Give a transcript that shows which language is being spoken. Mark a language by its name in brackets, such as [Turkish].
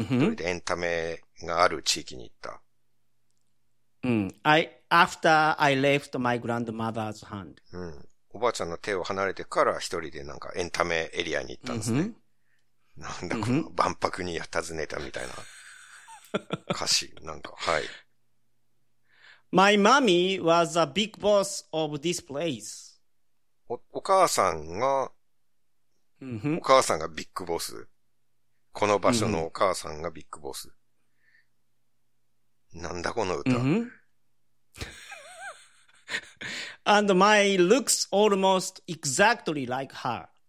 [Japanese] 一人でエンタメがある地域に行った。うん。 [English] After I left my grandmother's hand. [Japanese] うん。おばあちゃんの手を離れてから一人でなんかエンタメエリアに行ったんですね。うん、なんだこの万博に訪ねたみたいな。歌詞なんか、はい。 [English] My mommy was a big boss of this place. [Japanese] お母さんがお母さんがビッグボス。この場所のお母さんがビッグボス。なんだこの歌。 [English] And my looks almost exactly like her.